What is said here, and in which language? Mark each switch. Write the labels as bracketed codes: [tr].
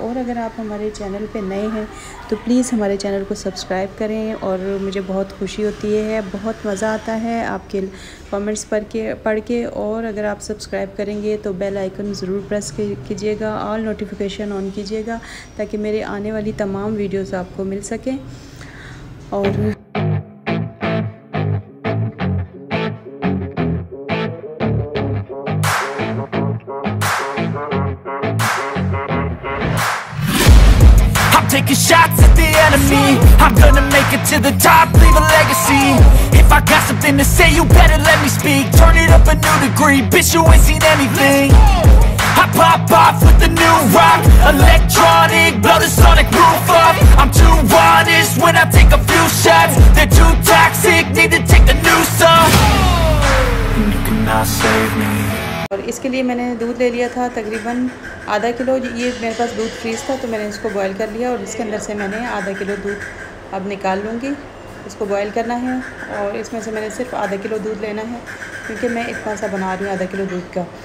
[hi] और अगर आप हमारे चैनल पे नए हैं तो प्लीज़ हमारे चैनल को सब्सक्राइब करें, और मुझे बहुत खुशी होती है, बहुत मज़ा आता है आपके कमेंट्स पढ़ के। और अगर आप सब्सक्राइब करेंगे तो बेल आइकन ज़रूर प्रेस कीजिएगा, ऑल नोटिफिकेशन ऑन कीजिएगा ताकि मेरे आने वाली तमाम वीडियोज़ आपको मिल सकें। [en] और taking shots at the enemy, I'm gonna make it to the top, leave a legacy. If I got something to say, you better let me speak. Turn it up a new degree, bitch, you ain't seen anything. I pop off with the new rock, electronic, blow the sonic roof up. I'm too honest when I take a few shots. They're too toxic, need to take the new song. And you cannot save me. [hi] और इसके लिए मैंने दूध ले लिया था तकरीबन आधा किलो, ये मेरे पास दूध फ्रीज था तो मैंने इसको बॉयल कर लिया और इसके अंदर से मैंने आधा किलो दूध अब निकाल लूँगी। इसको बॉयल करना है और इसमें से मैंने सिर्फ आधा किलो दूध लेना है क्योंकि मैं इतना सा बना रही हूँ आधा किलो दूध का।